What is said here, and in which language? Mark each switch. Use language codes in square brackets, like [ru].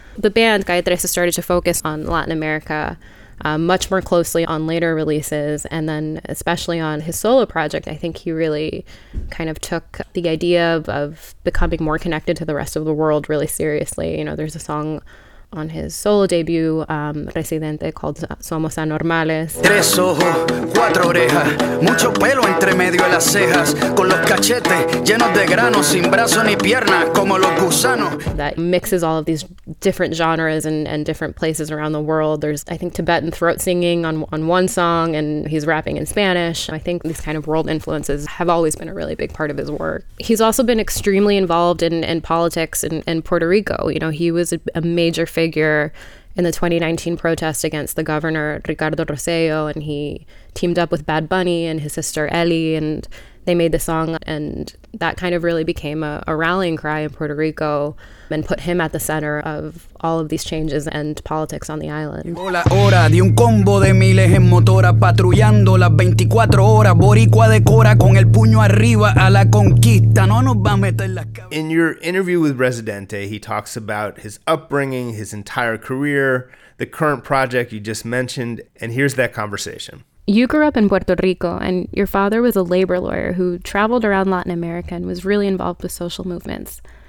[en] The band Calle 13 started to focus on Latin America much more closely on later releases, and then especially on his solo project. I think he really kind of took the idea of becoming more connected to the rest of the world really seriously. You know, there's a song on his solo debut, Residente, called Somos Anormales. [es] Tres ojos, cuatro orejas, mucho pelo entre medio de las cejas, con los cachetes llenos de granos, sin brazos ni piernas, como los gusanos. [en] That mixes all of these different genres and different places around the world. There's, I think, Tibetan throat singing on one song, and he's rapping in Spanish. I think these kind of world influences have always been a really big part of his work. He's also been extremely involved in politics in Puerto Rico. You know, he was a major figure in the 2019 protest against the governor Ricardo Rosello, and he teamed up with Bad Bunny and his sister Ellie, and they made the song, and that kind of really became a rallying cry in Puerto Rico and put him at the center of all of these changes and politics on the island. [es] Hola, hora de un combo de miles en motora patrullando las 24 horas, boricua de cora con el puño arriba a la conquista, no nos va a meter la cabeza. [en] In your interview with Residente, he talks about his upbringing, his entire career, the current project you just mentioned, and here's that conversation. You grew up in Puerto Rico, and your father was a labor lawyer who traveled around Latin America and was really involved with social movements.